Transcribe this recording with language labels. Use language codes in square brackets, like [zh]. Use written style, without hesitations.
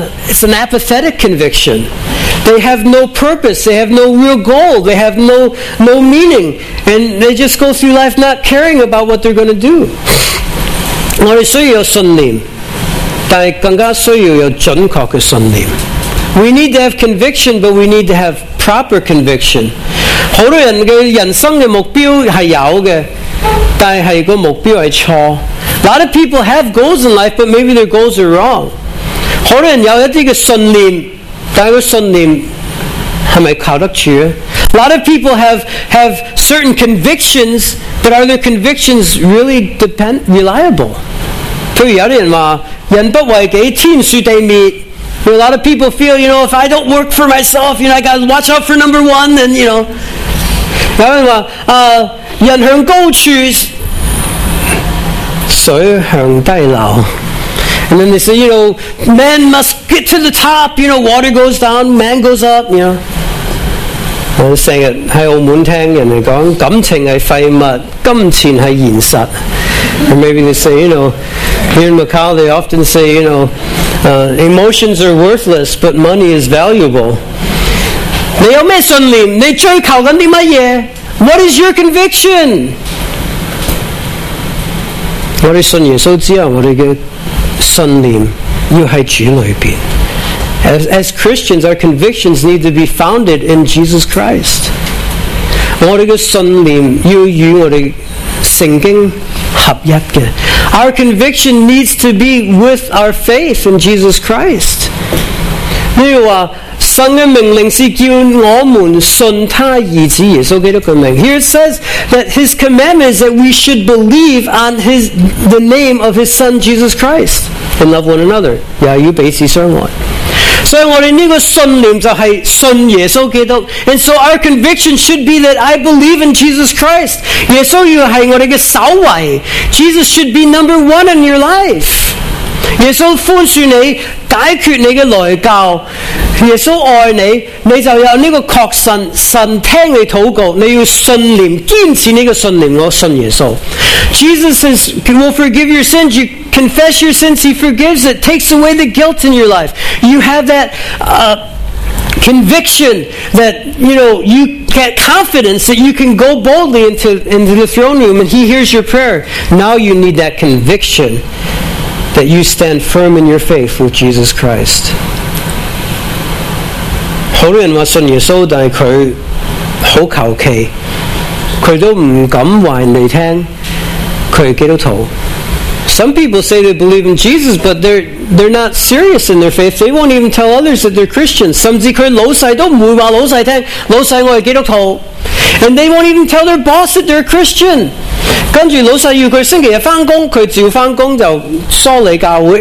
[en] It's an apathetic conviction. They have no purpose, they have no real goal, they have no meaning, and they just go through life not caring about what they're going to do. [zh] 我们需要信念，但是更加需要有准确的信念。 [en] We need to have conviction, but we need to have proper conviction. [zh] 好多人的人生的目标是有的，但是个目标是错。 [en] A lot of people have goals in life, but maybe their goals are wrong. [zh] 可能有一些信念，但是信念是否靠得住？ [en] A lot of people have certain convictions, but are their convictions really reliable? [zh] 譬如有人说，人不为己，天诛地灭。 [en] A lot of people feel, you know, if I don't work for myself, you know, I got to watch out for number one, and you know. [zh] 有人说，人向高处水向低流。 [en] And then they say, you know, man must get to the top, you know, water goes down, man goes up, you know. I was saying it, [zh] 在澳门听人家说，感情是废物，金钱是现实。 [en] Or maybe they say, you know, here in Macau they often say, you know, emotions are worthless, but money is valuable. [zh] 你有什么信念？你追求的什么？ [en] What is your conviction? [zh] 我们信耶稣之后，我们的信念要在主里面。 [en] As Christians, our convictions need to be founded in Jesus Christ. [zh] 我们的信念要与我们圣经合一的。 [en] Our conviction needs to be with our faith in Jesus Christ. [zh] 例如说，神的命令是叫我们信他儿子耶稣基督的名。 [en] Here it says that his commandment is that we should believe on the name of his son Jesus Christ and love one another. [zh] 也要彼此相爱。所以我们这个信念就是信耶稣基督。 [en] And so our conviction should be that I believe in Jesus Christ. [zh] 耶稣要是我们的首位。 [en] Jesus should be number one in your life. [zh] 耶稣宽恕你，解决你的内疚。耶稣爱你，你就有这个确信，神听你祷告。你要信念，坚持这个信念，我信耶稣。 [en] Jesus says, will forgive your sins. You confess your sins, he forgives it, takes away the guilt in your life. You have that conviction that you know you get confidence that you can go boldly into the throne room and he hears your prayer. Now you need that conviction that you stand firm in your faith with Jesus Christ. [zh] 好多人说信耶稣，但是他很求其，他都不敢说你听，他是基督徒。 [en] Some people say they believe in Jesus, but they're not serious in their faith. They won't even tell others that they're Christians. [zh] 甚至他老闆都不会说老闆听，老闆我是基督徒。 [en] And they won't even tell their boss that they're a Christian. [zh] 跟着老闆要他星期日上班，他照上班就疏离教会。